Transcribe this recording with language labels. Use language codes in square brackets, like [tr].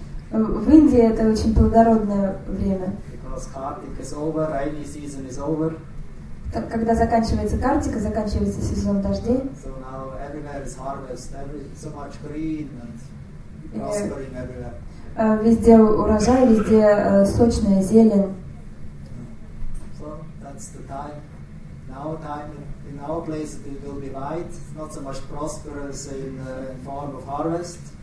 [ru] В Индии это очень плодородное время. [en] Kartika is over, rainy season is over. [ru] Когда заканчивается Картика, заканчивается сезон дождей. [en] So now everywhere is harvest, so much green and prospering everywhere. [ru] Везде урожай, везде сочная зелень. [en] So that's the time. Now time in our place it will be white, not so much prosperous in form of harvest.